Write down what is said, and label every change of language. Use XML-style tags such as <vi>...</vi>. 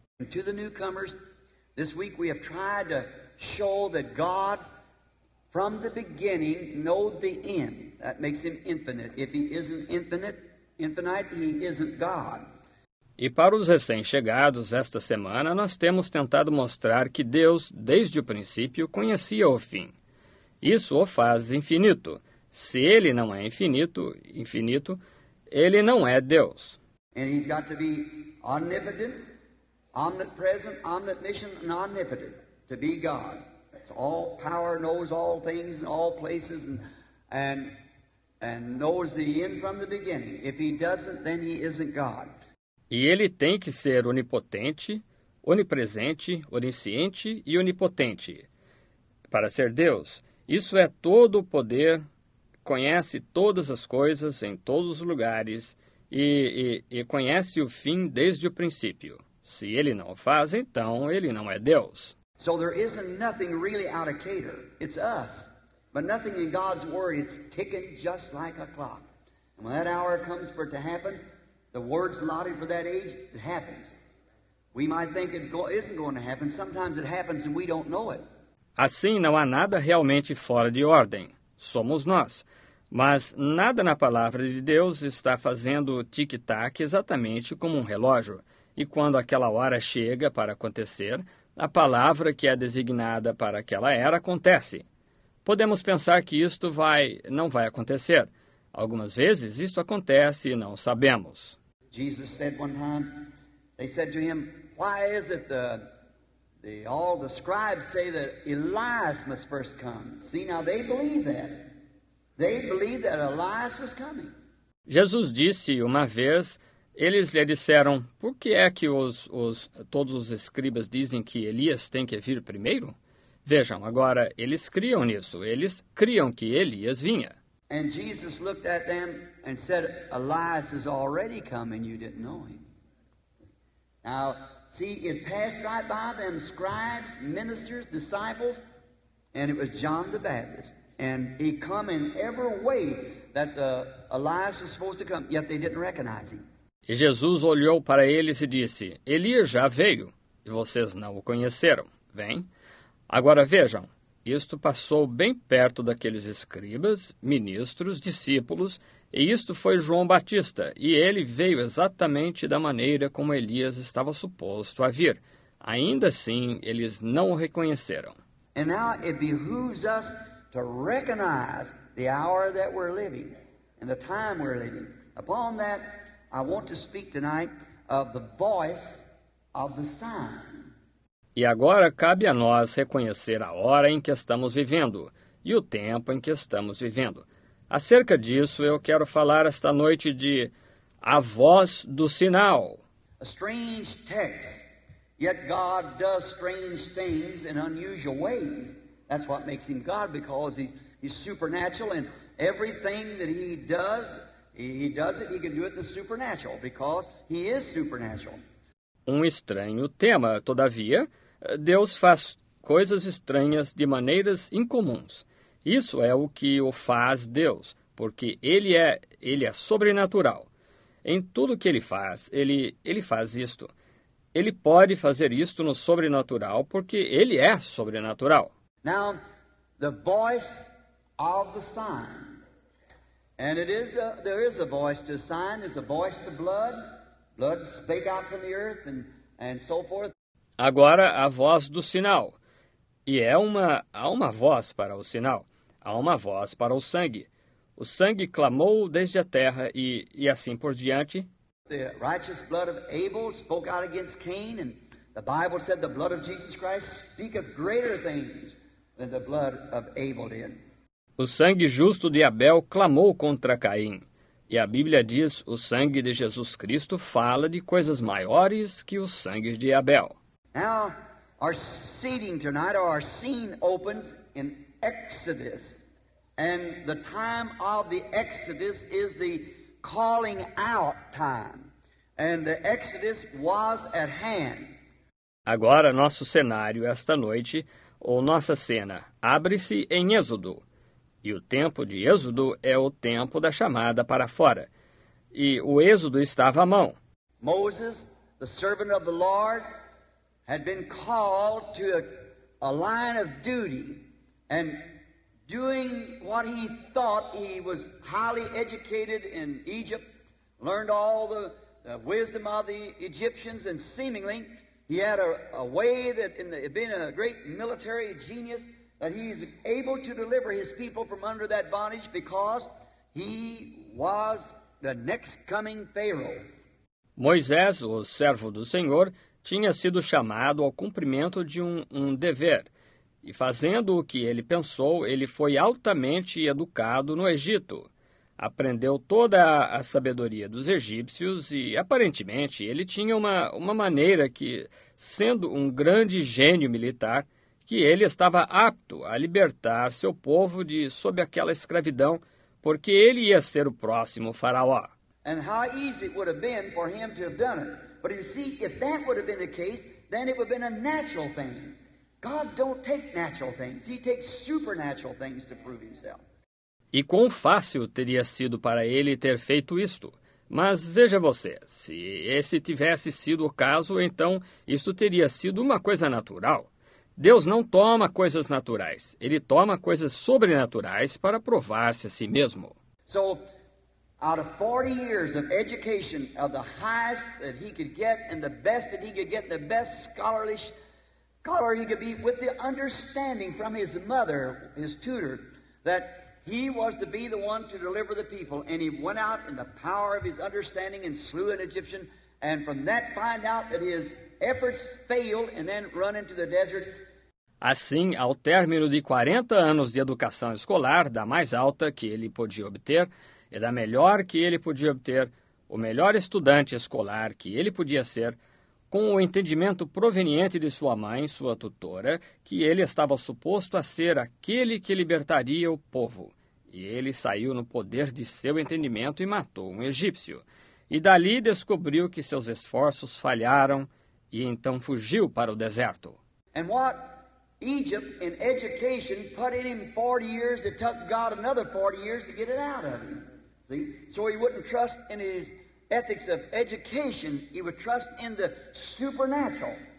<en>And to the newcomers, this week we have tried to show that God, from the beginning, knows the end. That makes him infinite. If he isn't infinite, he isn't God.</en> <pt>E para os recém-chegados, esta semana, nós temos tentado mostrar que Deus, desde o princípio, conhecia o fim. Isso o faz infinito. Se ele não é infinito, infinito, ele não é Deus.</pt> <en>And he's got to be omnipotent, omnipresent, omniscient, and omnipotent to be God. It's all power, knows all things and all places and knows the end from the beginning. If he doesn't, then he isn't God.</en> <pt>E ele tem que ser onipotente, onipresente, onisciente e onipotente para ser Deus. Isso é todo o poder, conhece todas as coisas em todos os lugares e conhece o fim desde o princípio. Se ele não o faz, então ele não é Deus.</pt> <en>So there isn't nothing really out of cater. It's us. But nothing in God's word, it's ticking just like a clock. And when that hour comes for it to happen, the words allotted for that age, it happens. We might think it isn't going to happen. Sometimes it happens and we don't know it.</en> <pt>Assim, não há nada realmente fora de ordem. Somos nós. Mas nada na palavra de Deus está fazendo tic-tac exatamente como um relógio. E quando aquela hora chega para acontecer, a palavra que é designada para aquela era acontece. Podemos pensar que isto não vai acontecer. Algumas vezes isto acontece e não sabemos.</pt> <en>Jesus said one time, they said to him, why is it all the scribes say that Elias must first come? See, now they believe that. They believe that Elias was coming.</en> <pt>Jesus disse uma vez, eles lhe disseram, por que é que todos os escribas dizem que Elias tem que vir primeiro? Vejam, agora eles criam nisso, eles criam que Elias vinha.</pt> <en>And Jesus looked at them and said, Elias has already come and you didn't know him. Now, see, it passed right by them, scribes, ministers, disciples, and it was John the Baptist. And he come in every way that Elias was supposed to come, yet they didn't recognize him.</en> <pt>E Jesus olhou para eles e disse, Elias já veio e vocês não o conheceram. Vem, agora vejam. Isto passou bem perto daqueles escribas, ministros, discípulos, e isto foi João Batista, e ele veio exatamente da maneira como Elias estava suposto a vir. Ainda assim, eles não o reconheceram.</pt> <en>And now it behooves us to recognize the hour that we're living and the time we're living. Upon that, I want to speak tonight of the voice of the sign.</en> <pt>E agora cabe a nós reconhecer a hora em que estamos vivendo e o tempo em que estamos vivendo. Acerca disso, eu quero falar esta noite de a voz do sinal.</pt> <en>A strange text, yet God does strange things in unusual ways. That's what makes him God, because he's supernatural, and everything that he does, he does it, he can do it in the supernatural, because he is supernatural.</en> <pt>Um estranho tema, todavia, Deus faz coisas estranhas de maneiras incomuns. Isso é o que o faz Deus, porque ele é sobrenatural. Em tudo que ele faz, ele faz isto. Ele pode fazer isto no sobrenatural, porque ele é sobrenatural.</pt> <en>Now, the voice of the sign. And it is there is a voice to the sign, there's a voice to blood. Blood spake out from the earth and so forth.</en> <pt>Agora, a voz do sinal. E há uma voz para o sinal. Há uma voz para o sangue. O sangue clamou desde a terra e assim por diante.</pt> <en>The righteous blood of Abel spoke out against Cain, and the Bible said the blood of Jesus Christ speaketh greater things than the blood of Abel did.</en> <pt>O sangue justo de Abel clamou contra Caim. E a Bíblia diz, o sangue de Jesus Cristo fala de coisas maiores que o sangue de Abel.</pt> <en>Now, our seating tonight, or our scene opens in Exodus. And the time of the Exodus is the calling out time. And the Exodus was at hand.</en> <pt>Agora, nosso cenário esta noite, ou nossa cena, abre-se em Êxodo. E o tempo de Êxodo é o tempo da chamada para fora. E o Êxodo estava à mão.</pt> <en>Moses, the servant of the Lord, had been called to a line of duty and doing what he thought he was highly educated in Egypt, learned all the wisdom of the Egyptians, and seemingly he had a way that in the, being a great military genius, that he is able to deliver his people from under that bondage because he was the next coming Pharaoh.</en> <pt>Moisés, o servo do Senhor, tinha sido chamado ao cumprimento de um dever. E fazendo o que ele pensou, ele foi altamente educado no Egito. Aprendeu toda a sabedoria dos egípcios e, aparentemente, ele tinha uma maneira que, sendo um grande gênio militar, que ele estava apto a libertar seu povo de sob aquela escravidão, porque ele ia ser o próximo faraó.</pt> <en>And how easy it would have been for him to have done it. But you see, if that would have been the case, then it would have been a natural thing. God don't take natural things. He takes supernatural things to prove himself.</en> <pt>E quão fácil teria sido para ele ter feito isto? Mas veja você, se esse tivesse sido o caso, então isso teria sido uma coisa natural. Deus não toma coisas naturais. Ele toma coisas sobrenaturais para provar-se a si mesmo.</pt> <en>So, out of 40 years of education of the highest that he could get and the best that he could get, the best scholarly scholar he could be, with the understanding from his mother, his tutor, that he was to be the one to deliver the people. And he went out in the power of his understanding and slew an Egyptian. And from that find out that his efforts failed and then run into the desert.</en> <pt>Assim, ao término de 40 anos de educação escolar, da mais alta que ele podia obter, e da melhor que ele podia obter, o melhor estudante escolar que ele podia ser, com o entendimento proveniente de sua mãe, sua tutora, que ele estava suposto a ser aquele que libertaria o povo. E ele saiu no poder de seu entendimento e matou um egípcio. E dali descobriu que seus esforços falharam e então fugiu para o deserto.</pt> <en>And what Egypt in education put in him 40 years, it took God another 40 years to get it out of him. So he wouldn't trust in his ethics of education, he would trust in the supernatural.</en>